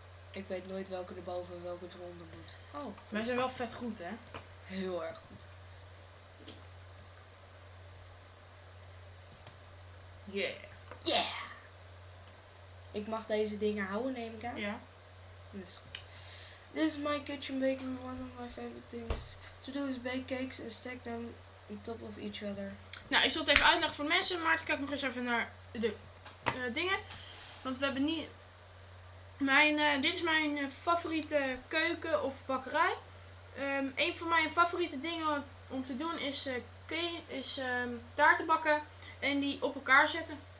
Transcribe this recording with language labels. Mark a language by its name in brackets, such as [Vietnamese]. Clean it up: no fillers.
[Dutch] Ik weet nooit welke erboven en welke eronder moet. Oh, goed. Wij zijn wel vet goed, hè? Heel erg goed. Yeah. Yeah! Ik mag deze dingen houden, neem ik aan. Ja. Dus. [English] This is my kitchen bakery, one of my favorite things. To do is bake cakes and stack them on top of each other. [Dutch] Nou, ik zal het even uitleggen voor mensen. Maarten, kijk nog eens even naar de dingen. Want we hebben niet... dit is mijn favoriete keuken of bakkerij. Een van mijn favoriete dingen om te doen is taarten bakken en die op elkaar zetten.